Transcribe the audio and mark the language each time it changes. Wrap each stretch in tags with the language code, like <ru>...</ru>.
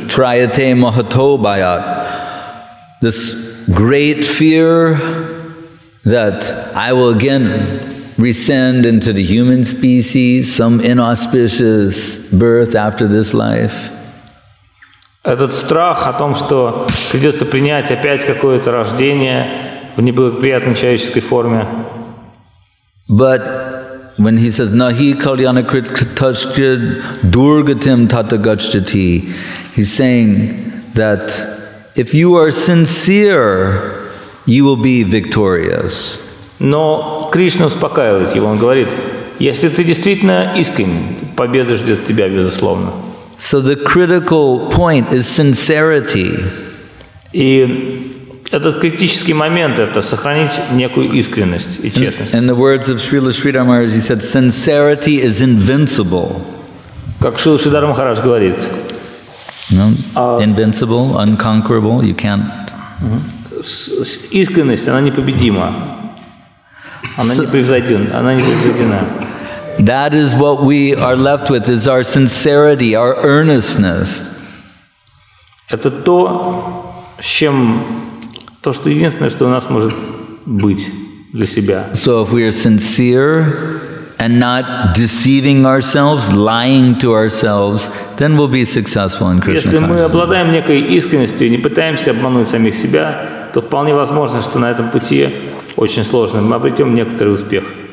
<sa>Trayate mahatobayat.</sa> <en>This great fear that I will again rescind into the human species, some inauspicious birth after this life.</en> <ru>Этот страх о том, что придется принять опять какое-то рождение в неблагоприятной человеческой форме.</ru> <en>But when he says</en> <sa>nahi kalyana krit kataskya durgatim tata gacchati,</sa> <en>he's saying that if you are sincere, you will be victorious.</en> <ru>Но Кришна успокаивает его. Он говорит, если ты действительно искренен, победа ждет тебя, безусловно.</ru> <en>So the critical point is sincerity.</en> <ru>И этот критический момент – это сохранить некую искренность и честность.</ru> <en>In the words of Srila Sridhar Maharaj, he said, sincerity is invincible.</en> <ru>Как Шрила Шридхар Махарадж говорит.</ru> <en>Invincible, unconquerable, you can't.</en> <ru>Искренность, она непобедима. Она непревзойдена. Она непревзойдена.</ru> <en>That is what we are left with, is our sincerity, our earnestness.</en> <ru>Это то, с чем, то, что единственное, что у нас может быть для себя.</ru> <en>So if we are sincere and not deceiving ourselves, lying to ourselves, then we'll be successful in Krishna consciousness.</en> <ru>Если мы обладаем некой искренностью и не пытаемся обмануть самих себя, то вполне возможно, что на этом пути очень сложно, мы обретем некоторый успех.</ru>